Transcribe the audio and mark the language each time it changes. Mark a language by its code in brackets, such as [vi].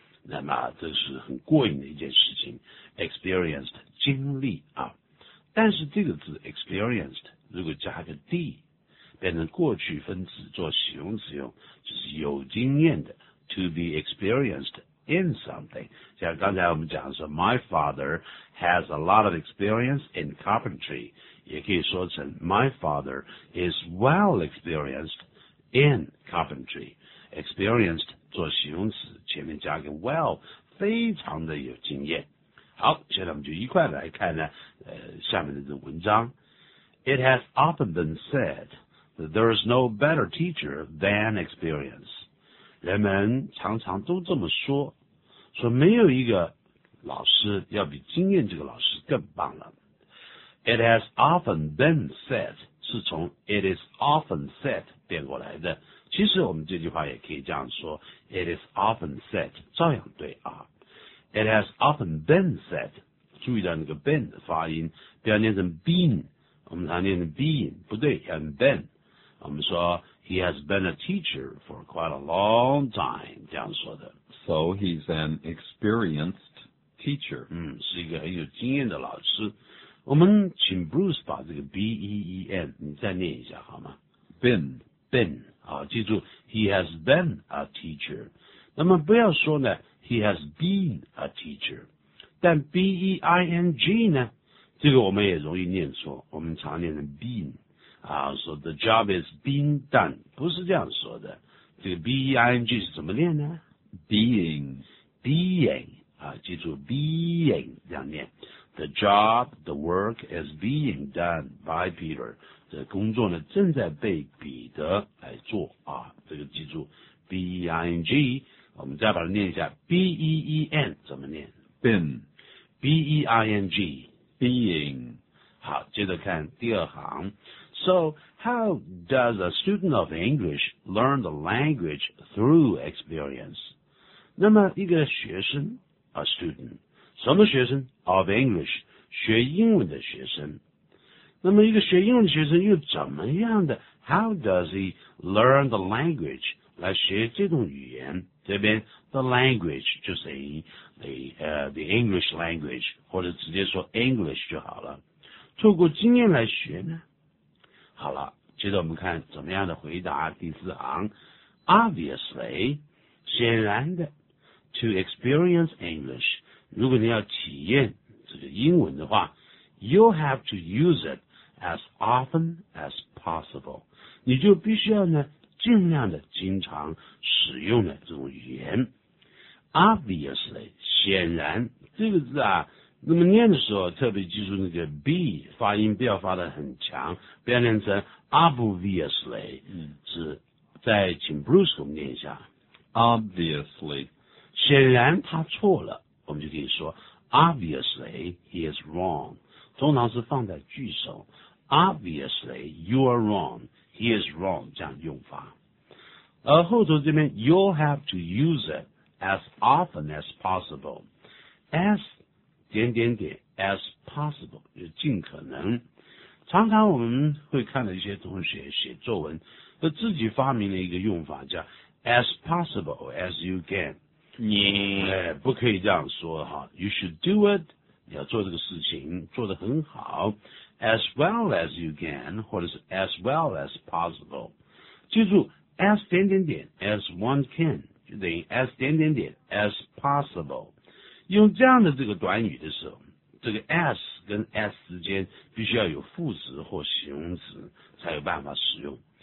[zh] 那么这是很过瘾的一件事情 ，experienced 经历啊。但是这个字 experienced 如果加个 d， 变成过去分词做形容词用，就是有经验的 ， [en] to be experienced in something。 [zh] 像刚才我们讲说 [en] ，my father has a lot of experience in carpentry， [zh] 也可以说成 [en] my father is well experienced in carpentry。 [zh] experienced 做形容词，前面加个 well， 非常的有经验。好，现在我们就一块来看呢，下面的这文章。 [en] It has often been said that there is no better teacher than experience. [zh] 人们常常都这么说，说没有一个老师要比经验这个老师更棒了。 [en] It has often been said [zh] 是从 [en] it is often said [zh] 变过来的。其实我们这句话也可以这样说 ， [en] It is often said， [zh] 照样对啊。 [en] It has often been said， [zh] 注意到那个 been 的发音，不要念成 been， 我们常念成 been， 不对，念 been。 [en] 我们说 He has been a teacher for quite a long time， 这样说的。 So he's an experienced teacher， [zh] 是一个很有经验的老师。我们请 Bruce 把这个 B-E-E-N 你再念一下好吗 [en] ？Been。 Been 啊， [zh] 记住 [en] ，he has been a teacher。 [zh] 那么不要说呢 [en] ，he has been a teacher。 [zh] 但 b e i n g 呢，这个我们也容易念错，我们常念成 been 啊，说 [en] the job is being done， [zh] 不是这样说的。这个 b e i n g 是怎么念呢 [en] ？Being [zh] 啊，记住 being 这样念。 [en] The job, the work is being done by Peter。 [zh] 这工作呢正在被彼得来做啊，这个记住 ，being， 我们再把它念一下 ，been 怎么念 [en] ？been，being， [zh] being。 好，接着看第二行。 [en] So how does a student of English learn the language through experience？ [zh] 那么一个学生 ，a student， 什么学生 ？of English， 学英文的学生。那么一个学英文的学生又怎么样的 ？ [en] How does he learn the language [zh] 来学这种语言？这边 the language 就是 [en] the English language， [zh] 或者直接说 English 就好了。透过经验来学呢？好了，接着我们看怎么样的回答第四行。 [en] Obviously， [zh] 显然的 [en] ，to experience English， [zh] 如果你要体验这个英文的话 [en] ，you'll have to use it。 As often as possible， [zh] 你就必须要呢尽量的经常使用的这种语言。 Obviously， 显然这个字啊，那么念的时候特别记住那个 b 发音不要发得很强，不要念成 obviously。是再请 Bruce 给我们念一下。 [en] Obviously， [zh] 显然他错了，我们就可以说 [en] obviously he is wrong， [zh] 通常是放在句首。 [en] Obviously, you are wrong. He is wrong. [zh] 这样用法。而后头这边 [en] you'll have to use it as often as possible. [zh] As 点点点 as possible 就尽可能。常常我们会看到一些同学写作文，他自己发明了一个用法叫 [en] as possible as you can。 [zh] 你不可以这样说哈。 [en] You should do it. [zh] 你要做这个事情做得很好。 [en] As well as you can， [zh] 或者是 [en] as well as possible， [zh] 记住 [en] as 点点点 as one can [zh] 就等于 [en] as 点点点 as possible。 [zh] 用这样的这个短语的时候，这个 as 跟 as 之间必须要有副词或形容词才有办法使用。